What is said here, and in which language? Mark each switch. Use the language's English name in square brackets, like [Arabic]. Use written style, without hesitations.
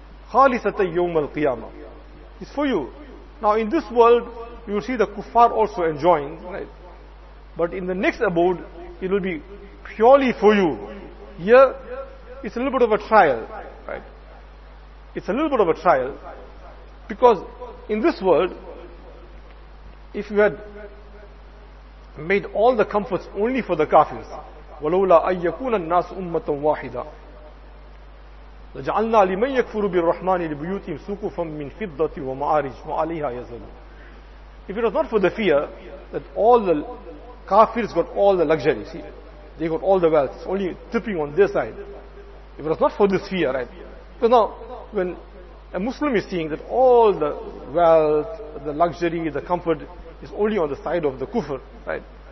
[Arabic] Khalisata yawm al qiyamah. [English] It's for you. Now in this world, you will see the kuffar also enjoying. Right? But in the next abode, it will be purely for you. Here, it's a little bit of a trial. Right? It's a little bit of a trial. Because in this world, if you had made all the comforts only for the kafirs, [Arabic] وَلَوْلَا أَيَّكُونَ النَّاسُ أُمَّةً وَاحِدًا لَجَعَلْنَا لِمَنْ يَكْفُرُ بِالرَّحْمَانِ لِبُيُوتِهِمْ سُقُفًا مِّنْ فِضَّةٍ وَمَعَارِجٍ وَعَلَيْهَا يَزَلُونَ. [English] If it was not for the fear that all the kafirs got all the luxury, see, they got all the wealth, it's only tipping on their side. If it was not for this fear, right? Because now, when a Muslim is seeing that all the wealth, the luxury, the comfort is only on the side of the kufr, right?